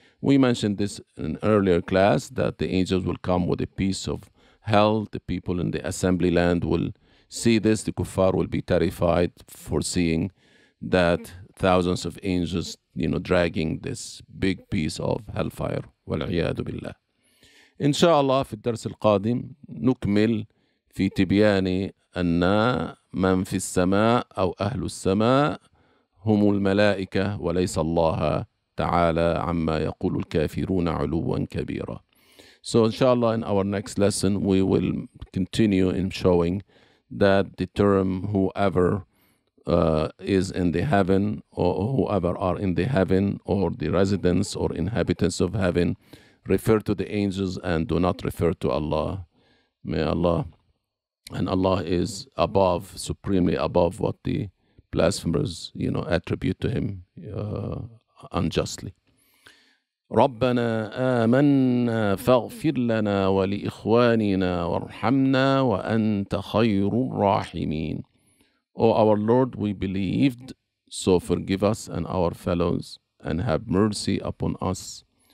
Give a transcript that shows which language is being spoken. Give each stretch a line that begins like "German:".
English: We mentioned this in an earlier class, that the angels will come with a piece of hell. The people in the assembly land will see this. The kuffar will be terrified for seeing that thousands of angels, you know, dragging this big piece of hellfire.
Arabic: والعياذ بالله. إن شاء الله في الدرس القادم نكمل في تبيان أن من في السماء أو أهل السماء هم الملائكة وليس الله تعالى عما يقول الكافرون علوا كبيرا.
English: So inshallah, in our next lesson, we will continue in showing that the term whoever is in the heaven, or whoever are in the heaven, or the residents or inhabitants of heaven, refer to the angels and do not refer to Allah. May Allah, and Allah is above, supremely above what the blasphemers, you know, attribute to him unjustly.
Arabic: ربنا آمنا فاغفر لنا ولإخواننا وارحمنا وأنت خير الراحمين.
English: O our Lord, we believed, so forgive us and our fellows, and have mercy upon us.